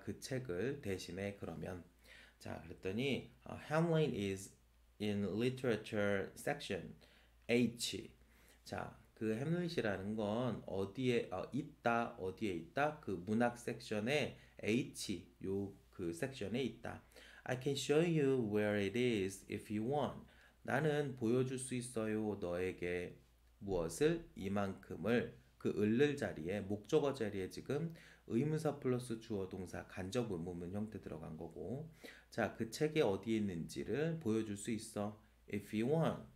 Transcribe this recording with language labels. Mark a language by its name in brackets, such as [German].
[Korean] 그 책을 대신에 그러면. 자, 그랬더니 [English] Hamlet is in literature section H. [Korean] 자, 그 햄릿이라는 건 있다, 어디에 있다? 그 문학 섹션에 H, 요그 섹션에 있다. [English] I can show you where it is if you want. [Korean] 나는 보여줄 수 있어요, 너에게 무엇을? 이만큼을. 그 을을 자리에, 목적어 자리에 지금 의문사 플러스 주어 동사 간접 의문문 형태 들어간 거고. 자, 그 책이 어디에 있는지를 보여줄 수 있어. [English] If you want.